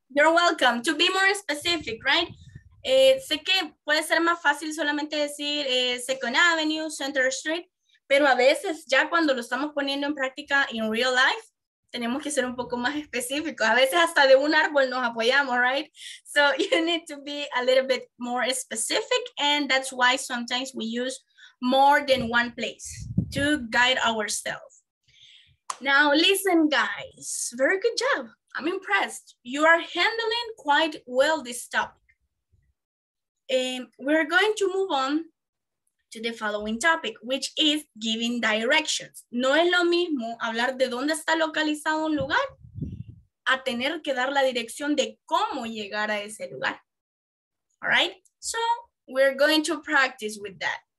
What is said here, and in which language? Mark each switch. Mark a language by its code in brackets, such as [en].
[en] You're welcome. To be more specific, right? [es] Sé que puede ser más fácil solamente decir Second Avenue, Center Street, pero a veces ya cuando lo estamos poniendo en práctica [en] in real life, [es] tenemos que ser un poco más específicos. A veces hasta de un árbol nos apoyamos, right? [en] So you need to be a little bit more specific, and that's why sometimes we use more than one place to guide ourselves. Now listen, guys, very good job. I'm impressed. You are handling quite well this topic. We're going to move on to the following topic, which is giving directions. [es] No es lo mismo hablar de dónde está localizado un lugar a tener que dar la dirección de cómo llegar a ese lugar. [en] All right, so we're going to practice with that.